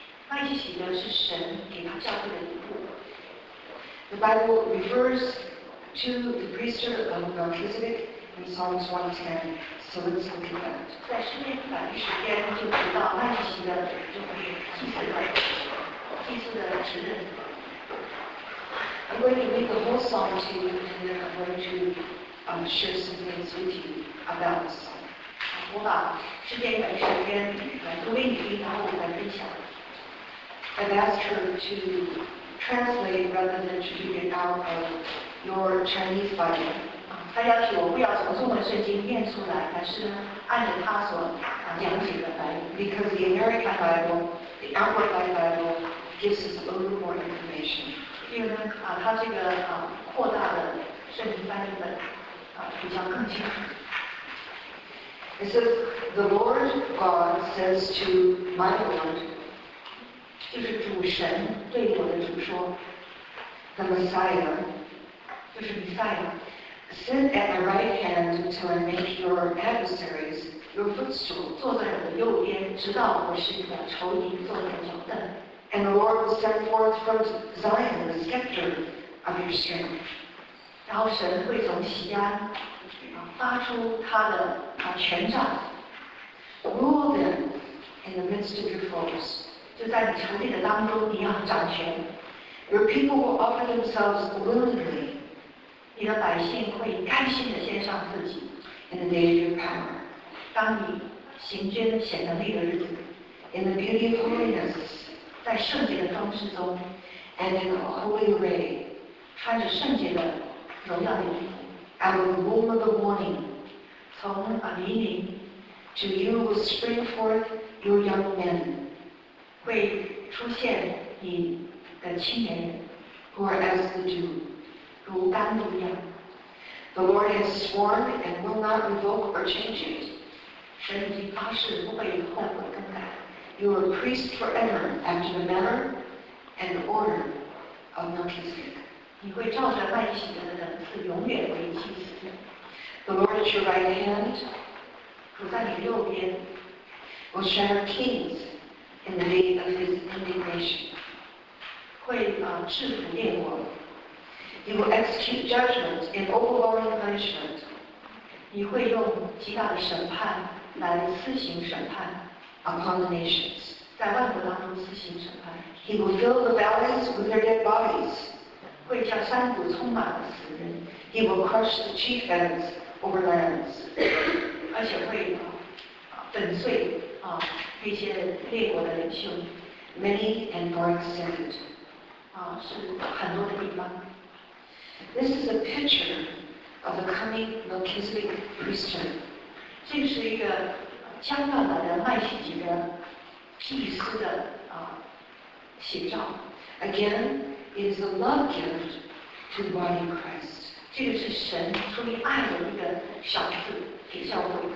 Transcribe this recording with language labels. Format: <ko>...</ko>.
<zh>麦基洗德是神给他教会的礼物。</zh> <en>The Bible refers. To the priesthood of Melchizedek in Psalms 110. So let's look at that.</en> <zh>在诗篇一百一十篇就提到麦基洗德就会祭祀的祭祀的职任。</zh> <en>I'm going to read the whole psalm to you, and then I'm going to share some things with you about the psalm.</en> <zh>我把诗篇一百一十篇来读给你听，然后我来分享。</zh> <en>I've asked her to translate rather than to read it out of. Your Chinese Bible.</en> <zh>他要求我不要从中文圣经念出来，而是按照他所讲解的来。</zh> <en>Because the American Bible, the Amplified Bible, gives us a little more information.</en> <zh>因为呢，他这个扩大的圣经翻译本比较更清楚。</zh> <en>It says, "The Lord God says to my Lord."</en> <zh>就是主神对我的主说</zh> <en>"The Messiah."</en> <zh>就是弥赛亚</zh> <en>Sit at the right hand until I make your adversaries your footstool.</en> <zh>坐在我的右边，直到我使你的仇敌坐在脚凳。</zh> <en>And the Lord will send forth from Zion the scepter of your strength.</en> <zh>然后神会从锡安发出他的权杖。</zh> <en>Rule them in the midst of your foes.</en> <zh>就在你仇敌的当中，你要掌权。</zh> <en>Your people will offer themselves willingly.</en> <zh>你的百姓会甘心地献上自己。</zh> <en>In the day of your power,</en> <zh>当你行军显能力的日子。</zh> <en>In the beauty of holiness,</en> <zh>在圣洁的装饰中。</zh> <en>And in a holy array,</en> <zh>穿着圣洁的荣耀的衣服。</zh> <en>Out of the womb of the morning,</en> <zh>从黎明。</zh> <en>To you will spring forth your young men,</en> <zh>会出现你的青年人。</zh> <en>Who are as the dew.</en> <zh>如甘露一样</zh> <en>The Lord has sworn and will not revoke or change it.</en> <zh>神已发誓不会以后悔更改。</zh> <en>You are a priest forever after the manner and order of Melchizedek.</en> <zh>你会照着麦基洗德的等次永远为祭司。</zh> <en>The Lord at your right hand,</en> <zh>主在你右边</zh> <en>will shatter kings in the day of his indignation.</en> <zh>会制服列国。</zh> <en>He will execute judgment and overwhelming punishment.</en> <zh>你会用极大的审判来施行审判。</zh> <en>Upon the nations.</en> <zh>在万国当中施行审判。</zh> <en>He will fill the valleys with their dead bodies.</en> <zh>会叫山谷充满了死人。</zh> <en>He will crush the chief heads over lands.</en> <zh>而且会粉碎那些列国的领袖。</zh> <en>Many and far extended.</en> <zh>是很多的地方。</zh> <en>This is a picture of the coming Melchizedek priesthood.</en> <zh>这是一个相当的麦基洗德祭司的写照。</zh> <en>Again, it is a love gift to the body of Christ.</en> <zh>这个是神出于爱的一个赏赐给教会。</zh>